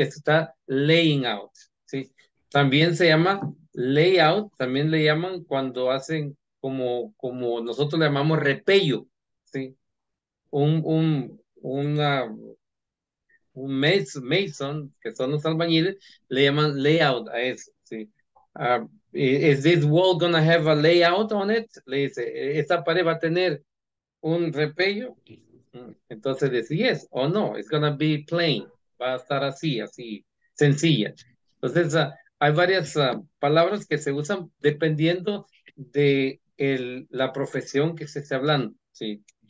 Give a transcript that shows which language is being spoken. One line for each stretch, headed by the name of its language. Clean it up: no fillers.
Spanish: Esto está laying out, ¿sí? También se llama layout, también le llaman cuando hacen como nosotros le llamamos repello, ¿sí? Un mason, que son los albañiles, le llaman layout a eso, ¿sí?
English: Is this wall gonna have a layout on it?
Spanish: Le dice, ¿esta pared va a tener un repello? Entonces le dice, yes o no,
English: it's gonna be plain,
Spanish: va a estar así, así, sencilla. Entonces, hay varias palabras que se usan dependiendo de la profesión que se esté hablando, ¿sí?